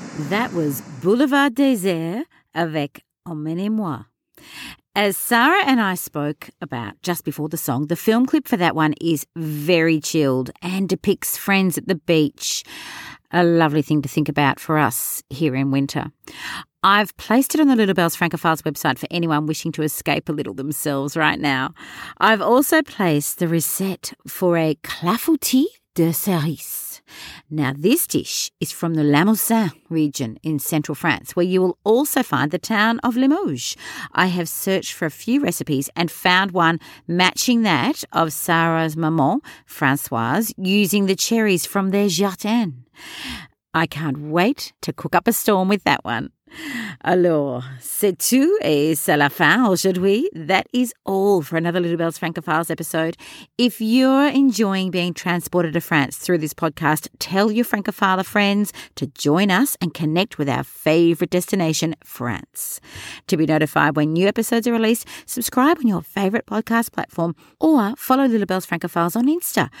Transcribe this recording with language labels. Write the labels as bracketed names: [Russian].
[English] That was Boulevard Désert avec Emmène-moi. As Sarah and I spoke about just before the song, the film clip for that one is very chilled and depicts friends at the beach, a lovely thing to think about for us here in winter. I've placed it on the Little Bells Francophiles website for anyone wishing to escape a little themselves right now. I've also placed the recette for a clafoutis de cerise. Now, this dish is from the Limousin region in central France, where you will also find the town of Limoges. I have searched for a few recipes and found one matching that of Sarah's maman, Françoise, using the cherries from their jardin. I can't wait to cook up a storm with that one. [French] Alors, c'est tout et c'est la fin, aujourd'hui. [English] That is all for another Little Bells Francophiles episode. If you're enjoying being transported to France through this podcast, tell your Francophile friends to join us and connect with our favourite destination, France. To be notified when new episodes are released, subscribe on your favourite podcast platform or follow Little Bells Francophiles on Insta.